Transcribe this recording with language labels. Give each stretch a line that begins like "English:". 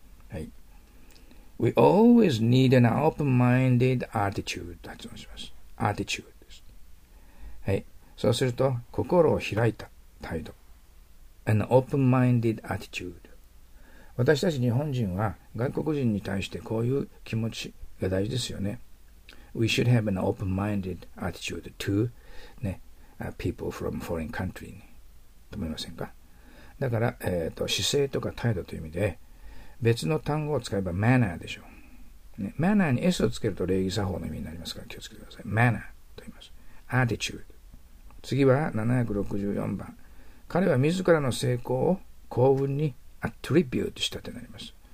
English: はい、We always need an open-minded attitude
Japanese: と発音します。
English: attitude です。
Japanese: はい。そうすると、心を開いた態度。
English: an open-minded attitude。
Japanese: 私たち日本人は外国人に対してこういう気持ちが大事ですよね。
English: We should have an open-minded attitude to、ね、people from foreign country に。
Japanese: と思いませんか？だから、姿勢とか態度という意味で、別の単語を使えば manner でしょう、ね。 manner に S をつけると礼儀作法の意味になりますから気をつけてください。 manner と言います。attitude。 次は764番。彼は自らの成功を幸運に attribute したとなります。